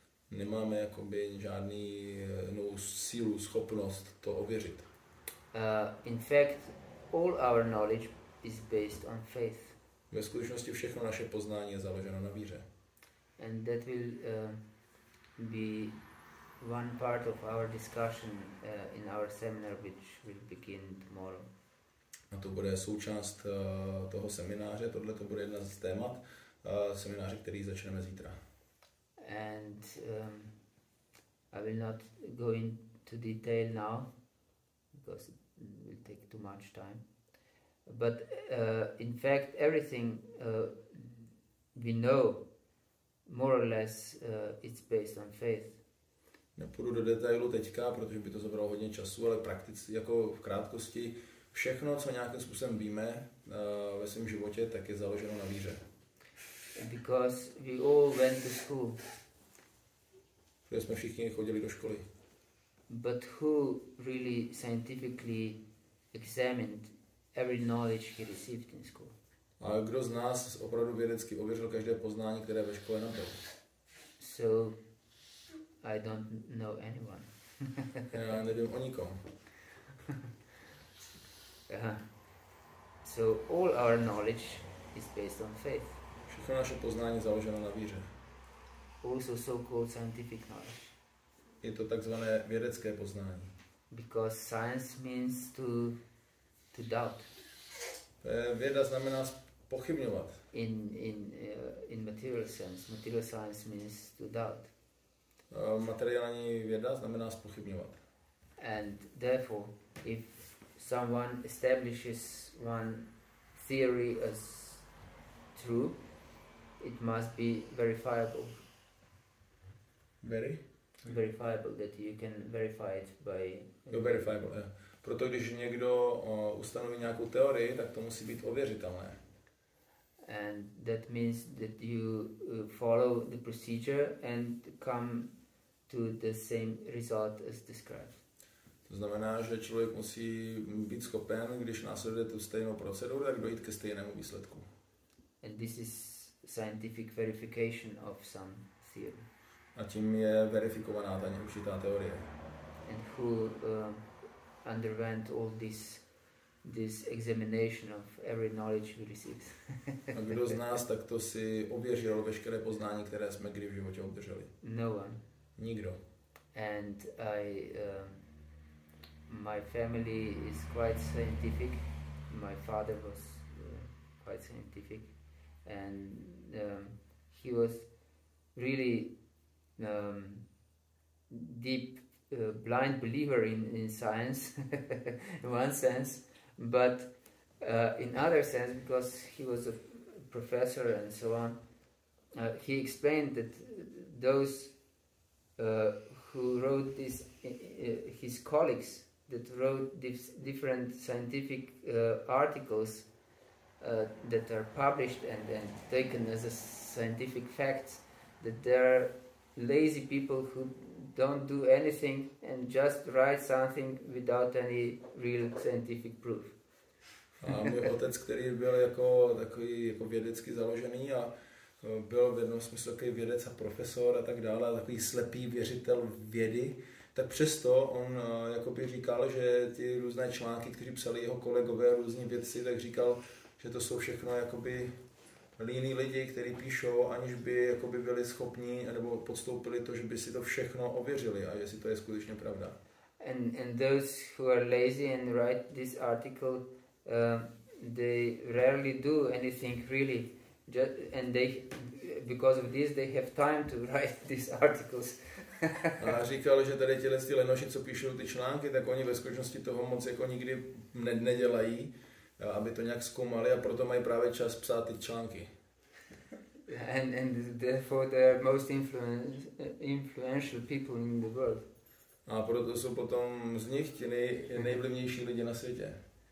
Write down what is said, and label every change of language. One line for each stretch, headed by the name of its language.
Czech: Nemáme jakoby žádný sílu, schopnost to ověřit.
English: In fact, all our knowledge is based on faith.
Czech: Ve skutečnosti všechno naše poznání je založeno na víře.
English: And that will be one part of our discussion in our seminar, which will begin tomorrow.
Czech: A to bude součást toho semináře, tohle to bude jedna z témat semináře, který začneme zítra.
English: And I will not go into detail now, because it will take too much time. But in fact, everything we know, more or less, it's based on faith.
Czech: Nepůjdu do detailu teďka, protože by to zabralo hodně času, ale prakticky, jako v krátkosti, všechno, co nějakým způsobem víme ve svém životě, tak je založeno na víře.
English: Because we all went to school.
Czech: Protože jsme všichni chodili do školy.
English: But who really scientifically examined every knowledge he received in school?
Czech: A kdo z nás opravdu vědecky ověřil každé poznání, které ve škole nabyl?
English: So I don't know anyone.
Czech: Já nevím o nikom.
English: So all our knowledge is based on faith.
Czech: Všechno naše poznání založeno na víře.
English: Also so-called scientific knowledge.
Czech: Je to takzvané vědecké poznání.
English: Because science means to doubt.
Czech: Věda znamená pochybňovat.
English: In material sense, material science means to doubt.
Czech: Materiální věda znamená pochybňovat.
English: And therefore, if someone establishes one theory as true, it must be verifiable. Very? Verifiable, that you can verify it by... No, verifiable, yeah.
Czech: Proto když někdo ustanoví nějakou teorii, tak to musí být ověřitelné.
English: And that means that you follow the procedure and come to the same result as described.
Czech: To znamená, že člověk musí být schopen, když následuje tu stejnou proceduru, tak dojít ke stejnému výsledku.
English: And this is scientific verification of some theory.
Czech: A tím je verifikovaná ta neurčitá teorie.
English: And who underwent all this examination of every knowledge we received.
Czech: A kdo z nás takto si ověřil veškeré poznání, které jsme kdy v životě obdrželi?
English: No one.
Czech: Nikdo.
English: And I... My family is quite scientific. My father was quite scientific, and he was really deep blind believer in science, in one sense. But In other sense, because he was a professor and so on, he explained that those who wrote this, his colleagues that wrote these different scientific articles that are published and then taken as a scientific facts, that there are lazy people who don't do anything and just write something without any real scientific proof.
Czech: A můj otec, který byl jako takový jako vědecky založený a byl v jednom smyslu takový vědec a profesor a tak dále, takový slepý věřitel vědy, tak přesto on jakoby říkal, že ty různé články, kteří psali jeho kolegové, různí vědci, tak říkal, že to jsou všechno jakoby líní lidi, kteří píšou, aniž by jakoby byli schopní nebo podstoupili to, že by si to všechno ověřili a jestli to je skutečně pravda.
English: And those who are lazy and write this article, they rarely do anything really, just, and they, because of this, they have time to write these articles.
Czech: A říkal, že tady těhle ty lenoši, co píšou ty články, tak oni ve skutečnosti toho moc jako nikdy nedělají, aby to nějak zkoumali, a proto mají právě čas psát ty články.
English: And therefore they are most influential people in the world.
Czech: A proto jsou potom z nich ti nejvlivnější lidi na světě.